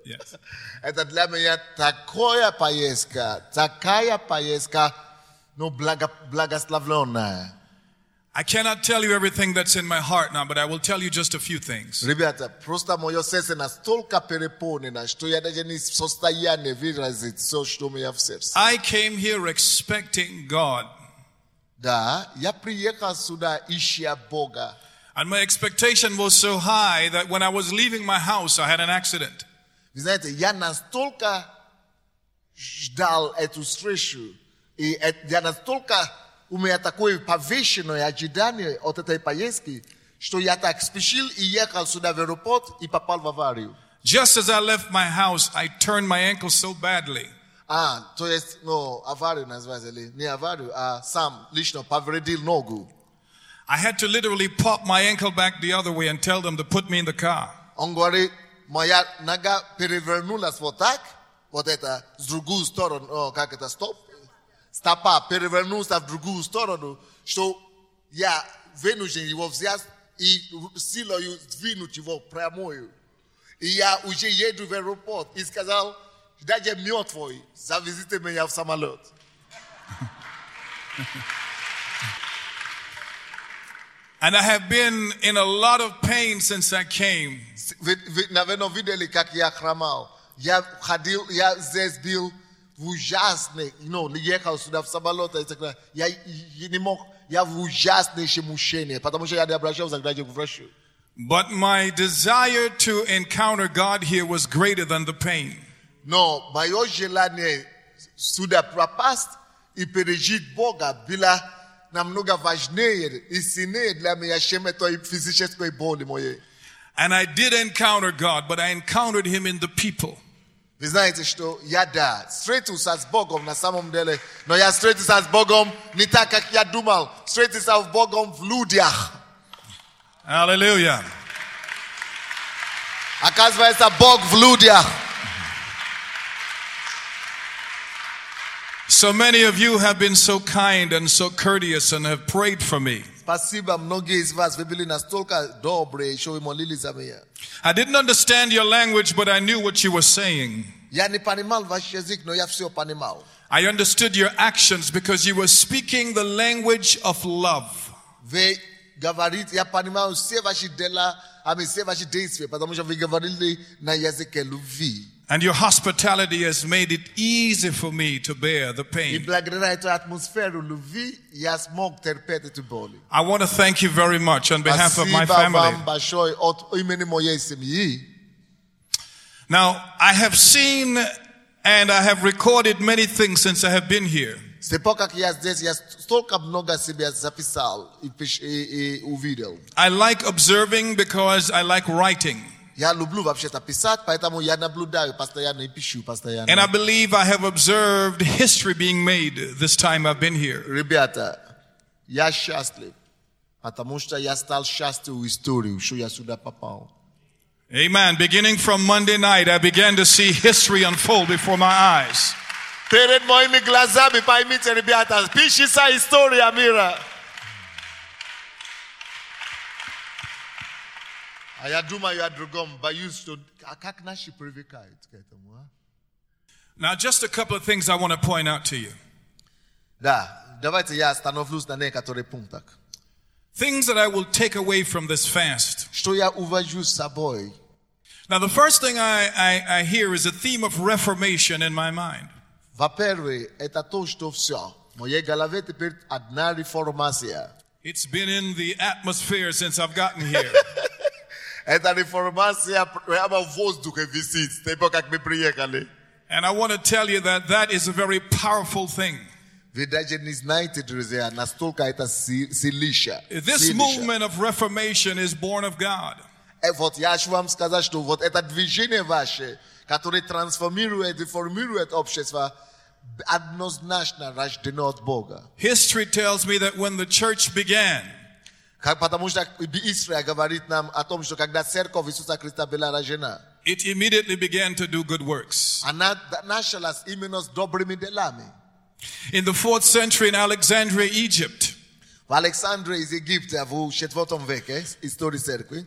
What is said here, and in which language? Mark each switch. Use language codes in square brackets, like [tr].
[en] Yes. [ru] Это для меня такая поездка, но благословленная. [en] I cannot tell you everything that's in my heart now, but I will tell you just a few things. [ru] Ребята, просто моё сердце настолько переполнено, что я даже не в состоянии выразить всё, что у меня в сердце. [en] I came here expecting God. [ru] Да, я приехал сюда ища Бога. [en] And my expectation was so high that when I was leaving my house, I had an accident. [ru] Вы знаете, я настолько ждал эту встречу, и я настолько... У меня такое повышенное ожидание от этой поездки, что я так спешил и ехал сюда в аэропорт и попал в аварию. [en] Just as I left my house, I turned my ankle so badly. [ru] А, то есть, ну, аварию назвать или не аварию, а сам лично повредил ногу. [en] I had to literally pop my ankle back the other way and tell them to put me in the car. [ru] Он говорит, моя нога перевернулась вот так, вот это, с другую сторону, как это, стоп. Стопа перевернулся в другую сторону, что я вынужден его взять и силою двинуть его прямую. И я уже еду в аэропорт и сказал, даже мертвый, завезите меня в самолет. [en] And I have been in a lot of pain since I came. [ru] Наверное, видели, как я хромал. Я ходил, я здесь был в ужасный, ну, ехал сюда в самолет, и так далее. Я не мог, я в ужаснейшем мучении, потому что я не обращался к врачу. [en] But my desire to encounter God here was greater than the pain. [ru] Но мое желание сюда пропасть и пережить Бога было намного важнее и сильнее для меня, чем этой физической боли моей. [en] And I did encounter God, but I encountered him in the people. [ru] Вы знаете, что я, да, встретился с Богом на самом деле, но я встретился с Богом не так, как я думал, встретился с Богом в людях. [en] Hallelujah. [ru] Оказывается, Бог в людях. [en] So many of you have been so kind and so courteous and have prayed for me. [ru] Спасибо, многие из вас вы были настолько добрые, что вы молились за меня. [en] I didn't understand your language, but I knew what you were saying. [ru] Я не понимал ваш язык, но я все понимал. [en] I understood your actions because you were speaking the language of love. [ru] Вы говорите, я понимал все ваши дела, все ваши действия, потому что вы говорили на языке любви. [en] And your hospitality has made it easy for me to bear the pain. [ru] И благодаря этой атмосфере любви я смог терпеть эту боль. [en] I want to thank you very much on behalf of my family. [ru] Спасибо вам большое от имени моей семьи. [en] Now, I have seen and I have recorded many things since I have been here. [ru] С тех пор, как я здесь, я столько много себя записал и увидел. [en] I like observing because I like writing. [ru] Я люблю вообще-то писать, поэтому я наблюдаю постоянно и пишу постоянно. [en] And I believe I have observed history being made this time I've been here. [ru] Ребята, я счастлив, потому что я стал частью истории, что я сюда попал. [en] Amen. Beginning from Monday night, I began to see history unfold before my eyes. [ru] Перед моими глазами поймите, ребята, пишется история мира. А я думаю о другом, боюсь, что как наши привыкают к этому. [en] Now, just a couple of things I want to point out to you. [ru] Да, давайте я остановлюсь на некоторых пунктах. [en] Things that I will take away from this fast. [ru] Что я увожу с собой. [en] Now, the first thing I hear is a theme of reformation in my mind. [ru] Во-первых, это то, что все. В моей голове теперь одна реформация. [en] It's been in the atmosphere since I've gotten here. [ru] Это реформация прямо в воздухе висит, с тех пор, как мы приехали. [en] And I want to tell you that that is a very powerful thing. [ru] Вы даже не знаете, друзья, настолько это силища. [en] This movement of reformation is born of God. [ru] Вот я хочу вам сказать, что вот это движение ваше, которое трансформирует и формирует общество, однозначно рождено от Бога. [en] History tells me that when the church began, [ru] потому что Библия говорит нам о том, что когда церковь Иисуса Христа была рождена, [en] it immediately began to do good works. [ru] Она началась именно с добрыми делами. [en] In the 4th century in Alexandria, Egypt, [ru] в Александрии из Египта, в 4 веке, истории церкви,